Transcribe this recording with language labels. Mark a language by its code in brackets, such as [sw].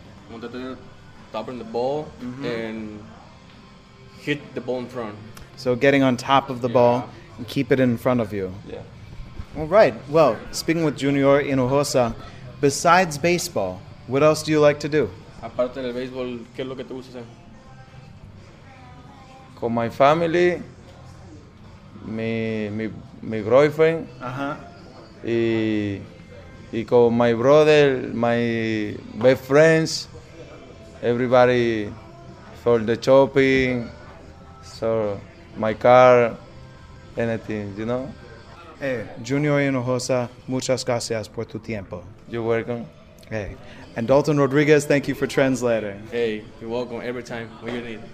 [es] Montarte en [en] top of the ball and hit the ball in front. So getting on top of the ball and keep it in front of you. Yeah. All right. Well, speaking with Junior Hinojosa, besides baseball, what else do you like to do? [es] Aparte del béisbol, ¿qué es lo que te gusta hacer? [en] con my family, mi girlfriend, y con my brother, my best friends, everybody for the shopping, so my car, anything, you know? [es] Hey, Junior Hinojosa, muchas gracias por tu tiempo. [en] You're welcome. Hey, and Dalton Rodriguez, thank you for translating. Hey, you're welcome every time, when you need.